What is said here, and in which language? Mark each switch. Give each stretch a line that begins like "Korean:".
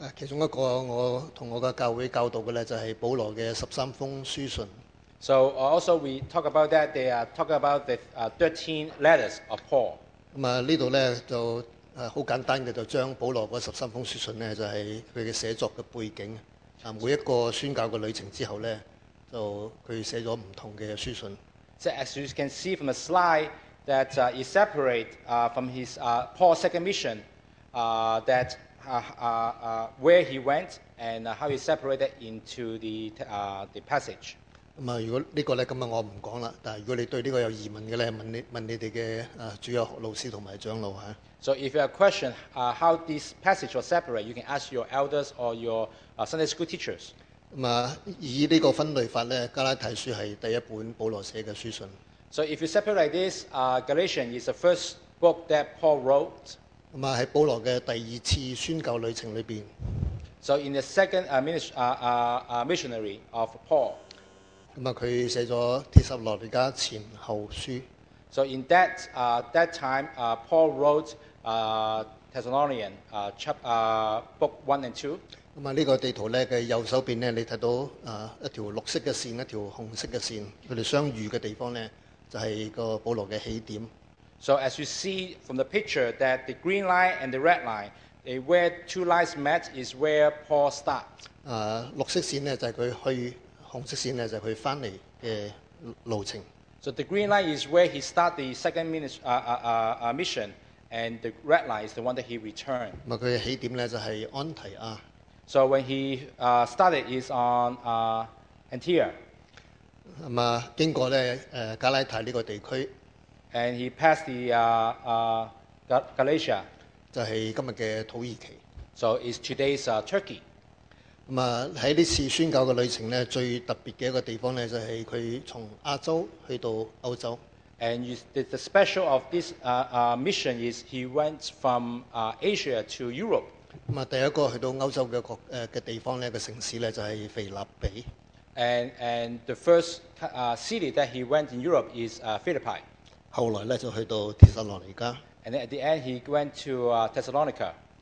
Chinese: 其中一個我和我的教會教導的呢，就是保羅的十三封書信。
English: So also we talk about that. They are talking about the 13 letters of Paul.
Chinese: 咁啊呢度咧就好簡單嘅，就將保羅嗰十三封書信咧，就係佢嘅寫作嘅背景。每一個宣教嘅旅程之後咧，就佢寫咗唔同嘅書信。
English: So as you can see from the slide, that it separate from his Paul's second mission, that where he went and how he separated into the passage.
Chinese: 如果這個呢，今天我不說了，但如果你對這個有疑問的，問你們的主要老師和長老。
English: So if you have a question how this passage was separate, you can ask your elders or your Sunday school teachers.
Chinese: 以這個分類法呢，加拉太書是第一本保羅寫的書信。
English: So if you separate like this, Galatians is the first book that Paul wrote.
Chinese: 在保羅的第二次宣教旅程裡面。
English: So in the second missionary of Paul,
Chinese: 他寫了帖撒羅尼迦前後書。
English: So in that, that time, Paul wrote Thessalonians, book 1 and 2.
Chinese: 這個地圖呢，它右手邊呢，你看到一條綠色的線，一條紅色的線，他們相遇的地方呢，就是個保羅的起點。
English: So as you see from the picture, that the green line and the red line, where two lines met is where Paul starts.
Chinese: 綠色線呢，就是他去紅色線就是他回來的路程。
English: So the green line is where he start the second mission, and the red line is the one that he returned.
Chinese: 他的起點就是安提亞。
English: So when he started is on Antioch.
Chinese: 經過加拉太這個地區。
English: And he passed the Galatia.
Chinese: 就是今天的土耳其。
English: So it's today's Turkey.
Chinese: 在這次宣教的旅程呢，最特別的一個地方呢，就是他從亞洲去到歐洲。
English: And the special of this mission is he went from Asia to Europe.
Chinese: 第一個去到歐洲 的地方呢，城市呢，就是腓立比。
English: And the first city that he went in Europe is Philippi.
Chinese: 後來呢，就去到帖撒羅尼迦。
English: And at the end he went to Thessalonica.